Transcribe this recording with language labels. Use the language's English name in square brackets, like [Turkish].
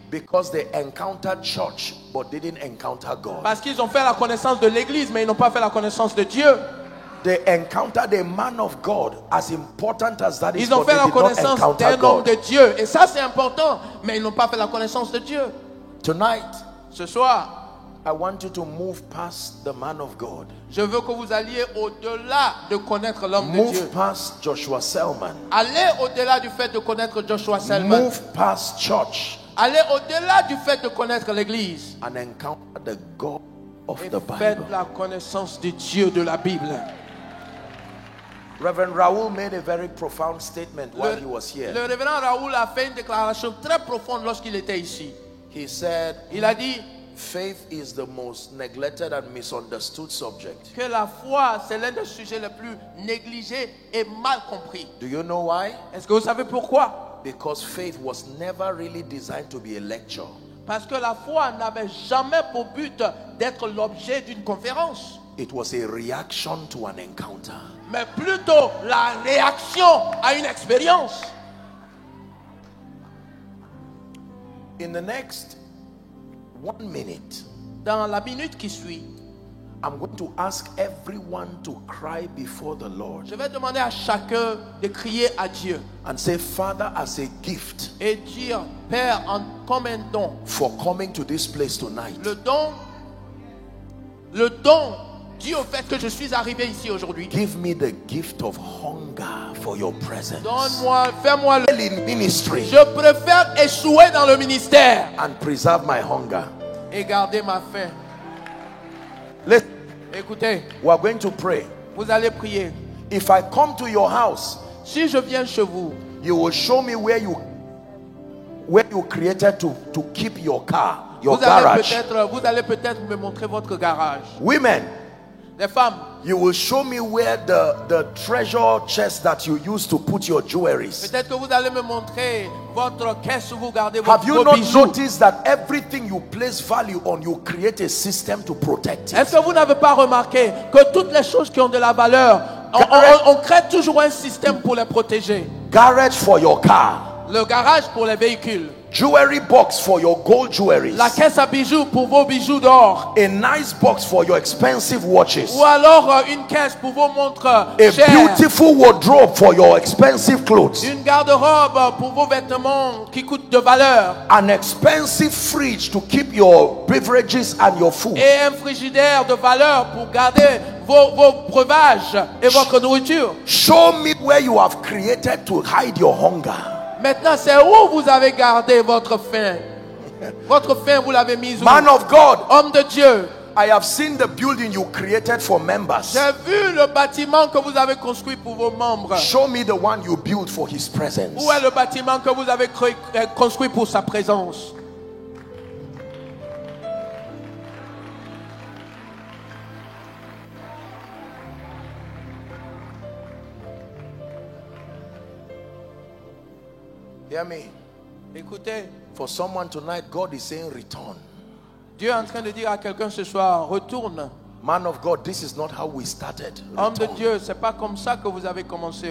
[English] Because they encountered church but didn't encounter God. [French] Parce qu'ils ont fait la connaissance de l'église mais ils n'ont pas fait la connaissance de Dieu. [English] They encountered a man of God, as important as that is. [French] Ils ont fait la connaissance d'un homme de Dieu et ça c'est important, mais ils n'ont pas fait la connaissance de Dieu. [English] Tonight, [French] ce soir, [English] I want you to move past the man of God. [French] Je veux que vous alliez au-delà de connaître l'homme de Dieu. [English] Move past Joshua Selman. [French] Allez au-delà du fait de connaître Joshua Selman. [English] Move past church. [French] Allez au-delà du fait de connaître l'église. [English] And encounter the God of [French] et [English] the Bible. [French] Faites la connaissance du Dieu de la Bible. [English] Reverend Raoul made a very profound statement while he was here. [French] Le révérend Raoul a fait une déclaration très profonde lorsqu'il était ici. [English] He said, [French] il a dit, [English] faith is the most neglected and misunderstood subject. [French] Que la foi, c'est l'un des sujets les plus négligés et mal compris. [English] Do you know why? [French] Est-ce que vous savez pourquoi? [English] Because faith was never really designed to be a lecture. [French] Parce que la foi n'avait jamais pour but d'être l'objet d'une conférence. [English] It was a reaction to an encounter. [French] Mais plutôt la réaction à une expérience. [English] In the next 1 minute, [French] dans la minute qui suit, [English] I'm going to ask everyone to cry before the Lord. [French] Je vais demander à chacun de crier à Dieu. [English] And say, Father, as a gift. [French] Et dire, Père, en comme un don. [English] For coming to this place tonight. [French] Le don dû au fait que je suis arrivé ici aujourd'hui. [English] Give me the gift of hunger for your presence. [French] Donne-moi, fais-moi le [English] ministry. [French] Je préfère échouer dans le ministère. [English] And preserve my hunger. [French] Et garder ma faim. Écoutez, [English] we are going to pray. [French] Vous allez prier. [English] If I come to your house, [French] si je viens chez vous, [English] you will show me where you created to keep your car, your [French] vous allez [English] garage. [French] Vous allez peut-être me montrer votre garage. [English] Women, [French] les femmes, [English] you will show me where the treasure chest that you use to put your jewelries. [French] Peut-être que vous allez me montrer votre caisse où vous gardez vos bijoux. [English] Have you not noticed that everything you place value on, you create a system to protect it? [French] Est-ce que vous n'avez pas remarqué que toutes les choses qui ont de la valeur, on crée toujours un système pour les protéger. [English] Garage for your car. [French] Le garage pour les véhicules. [English] Jewelry box for your gold jewelries. [French] La caisse à bijoux pour vos bijoux d'or. [English] A nice box for your expensive watches. [French] Ou alors une caisse pour vos montres chères. [English] A chères. Beautiful wardrobe for your expensive clothes. [French] Une garde-robe pour vos vêtements qui coûtent de valeur. [English] An expensive fridge to keep your beverages and your food. [French] Et un frigidaire de valeur pour garder vos breuvages et votre nourriture. [English] Show me where you have created to hide your hunger. [French] Maintenant, c'est où vous avez gardé votre faim? Votre faim, vous l'avez mise où? [English] Man of God, [French] homme de Dieu, [English] I have seen the building you created for members. [French] J'ai vu le bâtiment que vous avez construit pour vos membres. [English] Show me the one you built for his presence. [French] Où est le bâtiment que vous avez construit pour sa présence? [English] Hear me. [French] Écoutez. [English] For someone tonight, God is saying, return. [French] Dieu est en train de dire à quelqu'un ce soir, retourne. [English] Man of God, this is not how we started. Return. [French] Homme de Dieu, c'est pas comme ça que vous avez commencé.